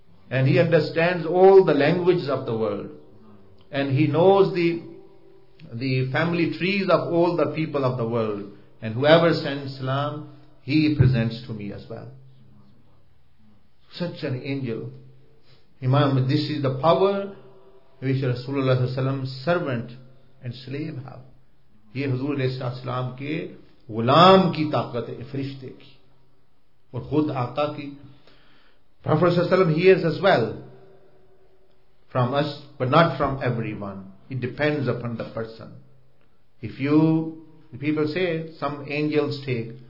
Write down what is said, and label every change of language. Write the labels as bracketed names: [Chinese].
[English] And he understands all the languages of the world. And he knows the family trees of all the people of the world, and whoever sends salam, he presents to me as well. Such an angel. Imam, this is the power which Rasulullah's servant and slave have. [Urdu] یہ حضور علیہ السلام کے غلام کی طاقت ہے, فرشتے کی اور خود آقا کی. [English] Prophet صلی اللہ علیہ وسلم hears as well from us but not from everyone. It depends upon the person. If you, the people say, some angels take.